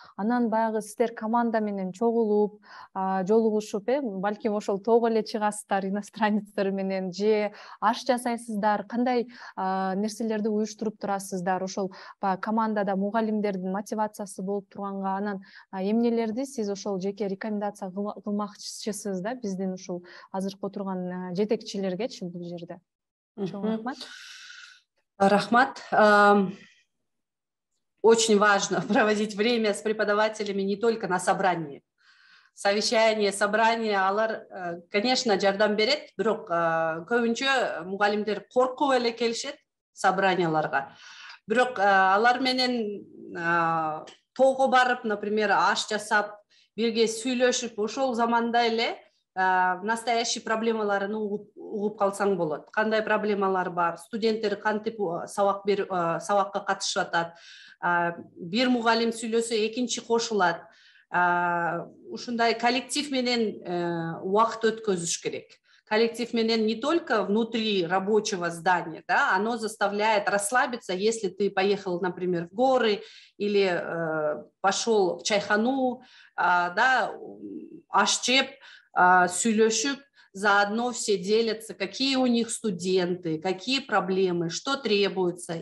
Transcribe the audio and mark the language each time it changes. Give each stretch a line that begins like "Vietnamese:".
Kyrgyz: Анан баягы сиздер команда менен чогулуп, жолугушуп, балким ошол тоого эле чыгасыздар иностранецтер менен, же аш жасайсыздар, кандай нерселерди уюштуруп турасыздар, ошол баягы командада мугалимдердин мотивациясы болуп турганга, анан эмнелерди сиз ошол жеке рекомендация кылмакчысыз да биз ушул азыркы отурган жетекчилергечи бул жерде. Рахмат.
Russian: Очень важно проводить время с преподавателями не только на собрании. Совещание, собрание,
Kyrgyz: алар,
Russian: конечно,
Kyrgyz: жардам берет, бирок көбүнчө мугалимдер коркуп эле келишет собранияларга. Бирок алар менен тоого барып, например, аш жасап, бирге сүйлөшүп, ошол заманда эле настоящий проблемаларын угуп калсаң болот. Кандай проблемалар бар, студенттер кантип сабакка катышып атат, бир мугалим сүйлөсө экинчи кошулат, ушундай коллектив менен убакыт өткөзүш керек.
Russian: Коллектив менен не только внутри рабочего здания, да, оно заставляет расслабиться, если ты поехал, например, в горы или пошел в чайхану, да,
Kyrgyz: аш жеп, сүйлөшүп,
Russian: заодно все делятся, какие у них студенты, какие проблемы, что требуется.